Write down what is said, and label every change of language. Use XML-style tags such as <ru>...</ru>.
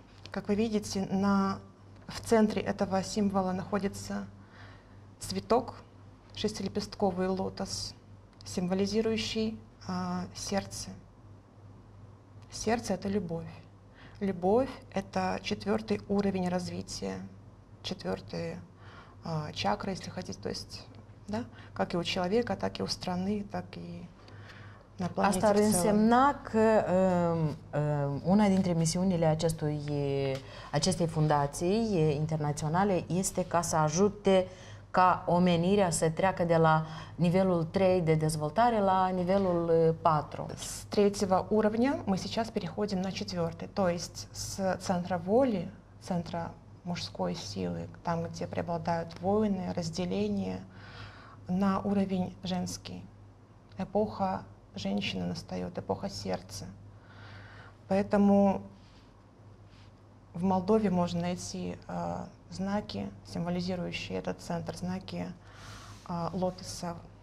<ru>Как вы видите, в центре этого символа находится цветок, шестилепестковый лотос, символизирующий сердце. Сердце — это любовь. Любовь — это четвертый уровень развития, четвертые чакры, если хотите. То есть, да, как и у человека, так и у страны, так и на планете.</ru> <ro>Asta ar însemna că una dintre misiunile acestei fundații internaționale este ca să ajute ca omenirea să treacă de la nivelul 3 de dezvoltare la nivelul 4.</ro> <ru>С третьего уровня мы сейчас переходим на четвертый, то есть с центра воли, центра мужской силы, там, где преобладают войны, разделение, на уровень женский. Эпоха женщины настает, эпоха сердца. Поэтому в Молдове можно найти знаки, символизирующие этот центр, знаки лотоса.</ru>